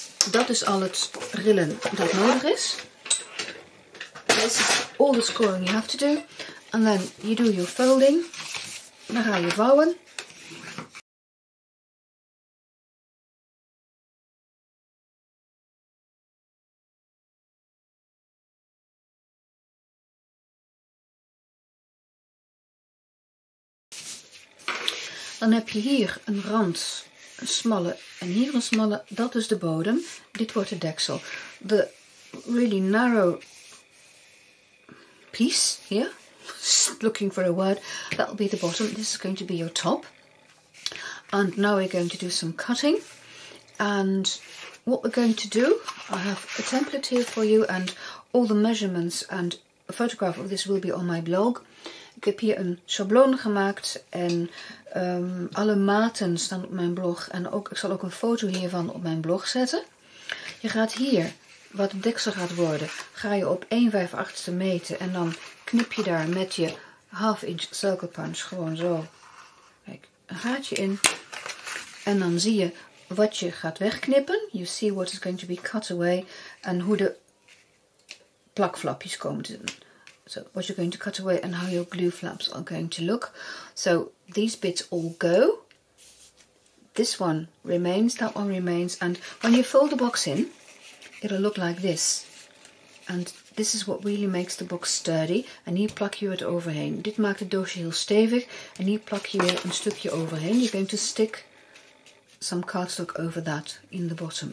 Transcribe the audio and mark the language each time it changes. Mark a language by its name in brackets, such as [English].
[Dutch] Dat is al het rillen dat nodig is. [English] This is all the scoring you have to do. And then you do your folding. [Dutch] Dan ga je vouwen. Dan heb je hier een rand, een smalle en hier een smalle. Dat is de bodem. Dit wordt de deksel. [English] The really narrow piece here. Looking for a word, that will be the bottom. This is going to be your top. And now we're going to do some cutting. And what we're going to do, I have a template here for you, and all the measurements and a photograph of this will be on my blog. [Dutch] Ik heb hier een schabloon gemaakt en alle maten staan op mijn blog. En ook, ik zal ook een foto hiervan op mijn blog zetten. Je gaat hier, wat het deksel gaat worden, ga je op 1/5/8 meten. En dan knip je daar met je half inch circle punch gewoon zo. Kijk, een gaatje in. En dan zie je wat je gaat wegknippen. [English] You see what is going to be cut away. [Dutch] En hoe de plakflapjes komen te doen. [English] So what you're going to cut away and how your glue flaps are going to look. So these bits all go. This one remains, that one remains. And when you fold the box in, it'll look like this. And this is what really makes the box sturdy. [Dutch] And hier plak je het overheen. Dit maakt het doosje heel stevig. En hier plak je weer een stukje overheen. [English] You're going to stick some cardstock over that in the bottom.